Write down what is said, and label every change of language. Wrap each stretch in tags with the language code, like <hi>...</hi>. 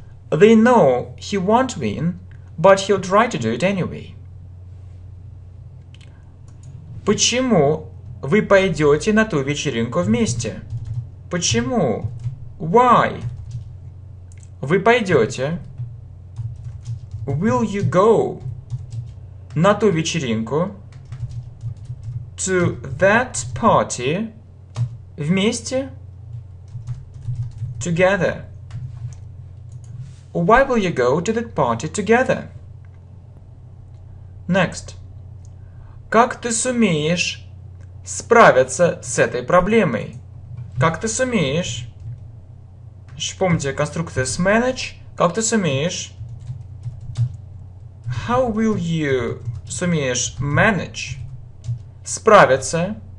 <en>They know he won't win, but he'll try to do it anyway.</en> <ru>Почему вы пойдете на ту вечеринку вместе? Почему?</ru> <en>Why?</en> <ru>Вы пойдете?</ru> <en>Will you go</en> <ru>на ту вечеринку?</ru> <en>To that party</en> <ru>вместе?</ru> <en>Together. Why will you go to that party together? Next.</en> <ru>Как ты сумеешь справиться с этой проблемой? Как ты сумеешь? Помните конструкцию с manage? Как ты сумеешь?</ru> <en>How will you</en> <ru>сумеешь</ru> <en>manage?</en> <ru>Справиться.</ru>